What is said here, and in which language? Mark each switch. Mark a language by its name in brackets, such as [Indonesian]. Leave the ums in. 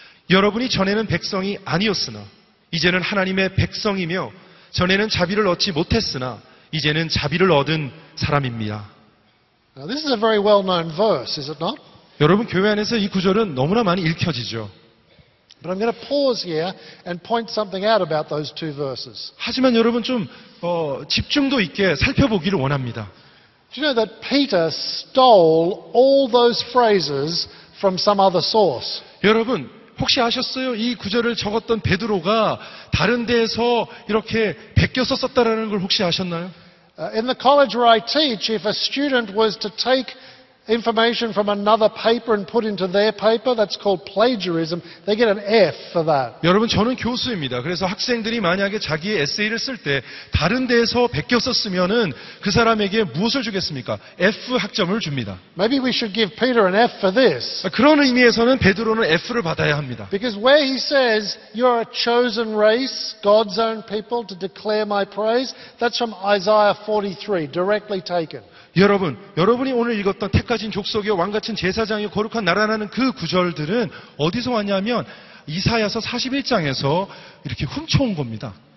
[Korean] 여러분이 전에는 백성이 아니었으나 이제는 하나님의 백성이며 전에는 자비를 얻지 못했으나 이제는 자비를 얻은 사람입니다. [English] Now, this is a very well-known verse, is it not? [Korean] 여러분 교회 안에서 이 구절은 너무나 많이 읽혀지죠. [English] But I'm going to pause here and point something out about those two verses. [Korean] 하지만 여러분 좀 어, 집중도 있게 살펴보기를 원합니다. [English] Do you know that Peter stole all those phrases from some other source? [Korean] 여러분 혹시 아셨어요? 이 구절을 적었던 베드로가 다른 데에서 이렇게 베껴 썼었다라는 걸 혹시 아셨나요? [English] In the college where I teach, if a student was to take information from another paper and put into their paper. That's called plagiarism. They get an F for that. [Korean] 여러분 저는 교수입니다. 그래서 학생들이 만약에 자기의 에세이를 쓸 때 다른 데에서 베껴 썼으면은 그 사람에게 무엇을 주겠습니까? F 학점을 줍니다. [English] Maybe we should give Peter an F for this. [Korean] 그런 의미에서는 베드로는 F를 받아야 합니다. [English] Because where he says you are a chosen race, God's own people to declare my praise, that's from Isaiah 43, directly taken. [Korean] 여러분, 여러분이 오늘 읽었던 택가진 족속이요, 왕같은 제사장이 거룩한 나라라는 그 구절들은 어디서 왔냐면 이사야서 41장에서 이렇게 훔쳐온 겁니다.